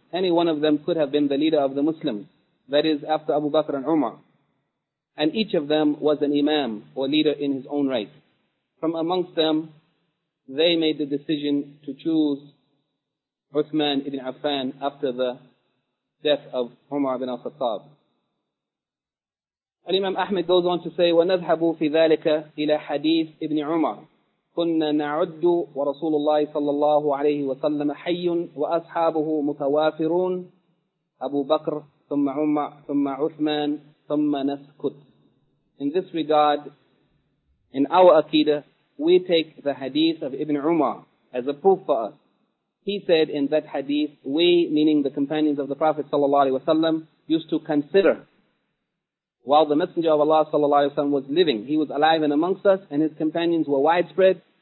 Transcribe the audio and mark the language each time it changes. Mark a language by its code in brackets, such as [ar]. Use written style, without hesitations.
[en] Any one of them could have been the leader of the Muslims, that is after Abu Bakr and Umar. And each of them was an Imam or leader in his own right. From amongst them, they made the decision to choose Uthman ibn Affan after the death of Umar ibn al-Khattab. Al-Imam Ahmed goes on to say, [ar] وَنَذْحَبُ فِي ذَلِكَ إِلَى حَدِيثِ ابْنِ عُمَرَ كُنَّا نَعُدُّ وَرَسُولُ اللَّهِ صَلَّى اللَّهُ عَلَيْهِ وَسَلَّمَ حَيٌّ وَأَصْحَابُهُ مُتَوَافِرُونَ أبو بكر ثم عمر ثم عثمان ثم نسكت. [en] In this regard, in our Aqidah, we take the hadith of Ibn Umar as a proof for us. He said in that hadith, we, meaning the companions of the Prophet sallallahu alaihi wasallam, used to consider while the Messenger of Allah sallallahu alaihi wasallam was living, he was alive and amongst us, and his companions were widespread.